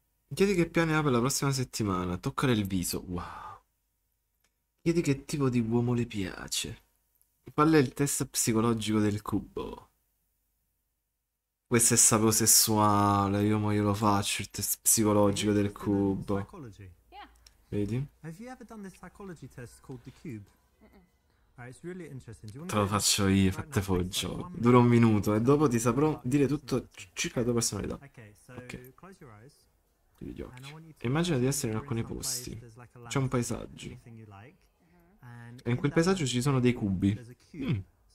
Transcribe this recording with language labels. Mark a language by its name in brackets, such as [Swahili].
[Italian] Chiedi che piani ha per la prossima settimana. Toccare il viso, wow. Chiedi che tipo di uomo le piace. Qual è il test psicologico del cubo? Questo è sapo sessuale, io mo glielo faccio il test psicologico del cubo. Vedi? [English] Have you ever done this psychology test called the cube? It's really interesting. [Italian] Te lo faccio io, fatte fuori il gioco. Dura un minuto e dopo ti saprò dire tutto circa la tua personalità. Ok, chiudi gli occhi. Immagina di essere in alcuni posti. C'è un paesaggio. E in quel paesaggio ci sono dei cubi.